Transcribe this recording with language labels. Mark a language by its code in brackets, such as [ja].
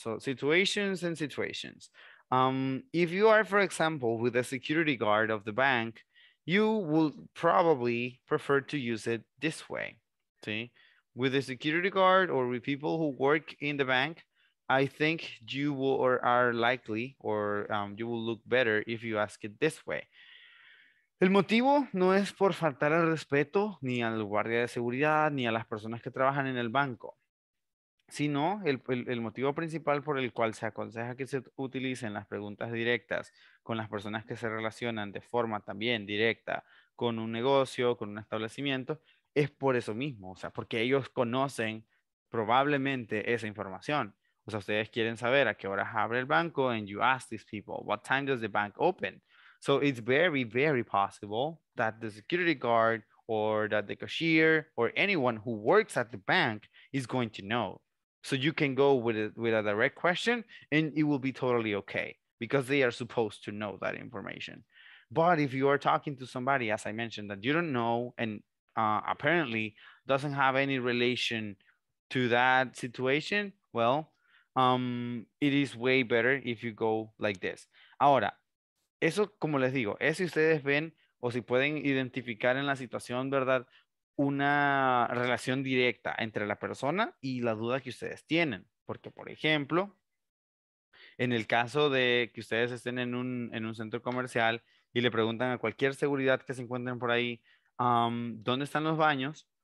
[en] So situations and situations. If you are, for example, with a security guard of the bank, you will probably prefer to use it this way. See, with a security guard or with people who work in the bank, I think you will or are likely or you will look better if you ask it this way. [es] El motivo no es por faltar al respeto ni al guardia de seguridad ni a las personas que trabajan en el banco. Sino el motivo principal por el cual se aconseja que se utilicen las preguntas directas con las personas que se relacionan de forma también directa con un negocio, con un establecimiento, es por eso mismo. O sea, porque ellos conocen probablemente esa información. O sea, ustedes quieren saber a qué horas abre el banco, [en] and you ask these people, what time does the bank open? So it's very, very possible that the security guard or that the cashier or anyone who works at the bank is going to know. So you can go with a direct question and it will be totally okay because they are supposed to know that information. But if you are talking to somebody, as I mentioned, that you don't know and apparently doesn't have any relation to that situation, well, it is way better if you go like this. [es] Ahora, eso como les digo, es si ustedes ven o si pueden identificar en la situación, ¿verdad?, una relación directa entre la persona y la duda que ustedes tienen. Porque, por ejemplo, en el caso de que ustedes estén en un centro comercial y le preguntan a cualquier seguridad que se encuentren por ahí, ¿dónde están los baños?